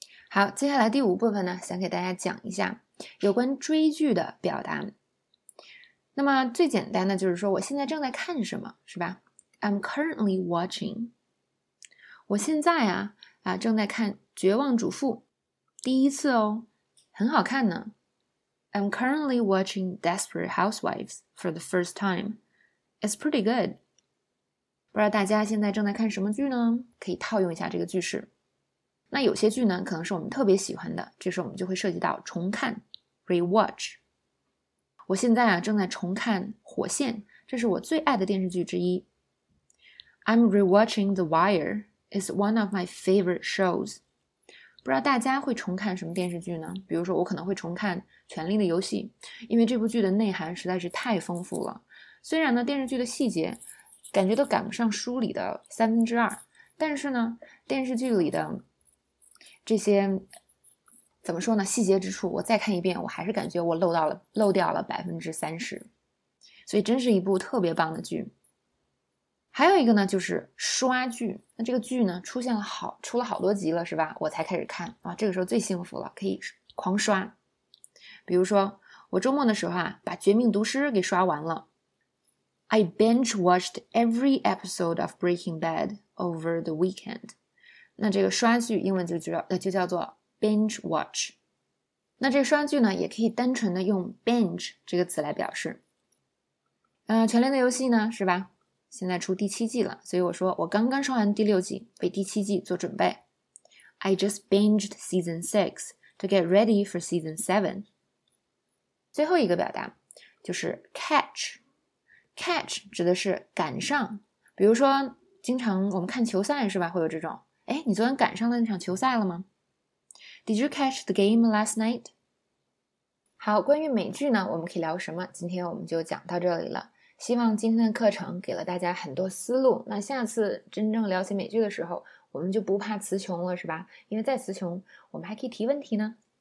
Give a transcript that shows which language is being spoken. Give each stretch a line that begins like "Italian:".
Chinese: 好，接下来第五部分呢，想给大家讲一下有关追剧的表达。那么最简单的就是说，我现在正在看什么，是吧？
English: I'm currently watching.
Chinese: 我现在正在看《绝望主妇》，第一次哦，很好看呢。
English: I'm currently watching Desperate Housewives for the first time. It's pretty good.
Chinese: 不知道大家现在正在看什么剧呢？可以套用一下这个句式。那有些剧呢，可能是我们特别喜欢的，这时候我们就会涉及到重看 rewatch。我现在正在重看《火线》，这是我最爱的电视剧之一。
English: I'm rewatching The Wire. It's one of my favorite shows.
Chinese: 不知道大家会重看什么电视剧呢？比如说，我可能会重看《权力的游戏》，因为这部剧的内涵实在是太丰富了。虽然呢，电视剧的细节感觉都赶不上书里的三分之二，但是呢，电视剧里的这些怎么说呢？细节之处，我再看一遍，我还是感觉我漏掉了30%，所以真是一部特别棒的剧。还有一个呢，就是刷剧。那这个剧呢，出了好多集了，是吧？我才开始看啊，这个时候最幸福了，可以狂刷。比如说，我周末的时候把《绝命毒师》给刷完了。
English: I binge watched every episode of Breaking Bad over the weekend。
Chinese: 那这个刷剧英文就叫做。Binge watch， 那这个刷剧呢，也可以单纯的用 binge 这个词来表示。权力的游戏呢，是吧？现在出第七季了，所以我说我刚刚刷完第六季，为第七季做准备。
English: I just binged season 6 to get ready for season 7。
Chinese: 最后一个表达就是 catch 指的是赶上，比如说经常我们看球赛是吧，会有这种，哎，你昨天赶上了那场球赛了吗？
English: Did you catch the game last night?
Chinese: 好，关于美剧呢，我们可以聊什么？今天我们就讲到这里了。希望今天的课程给了大家很多思路。那下次真正聊起美剧的时候，我们就不怕词穷了，是吧？因为再词穷，我们还可以提问题呢。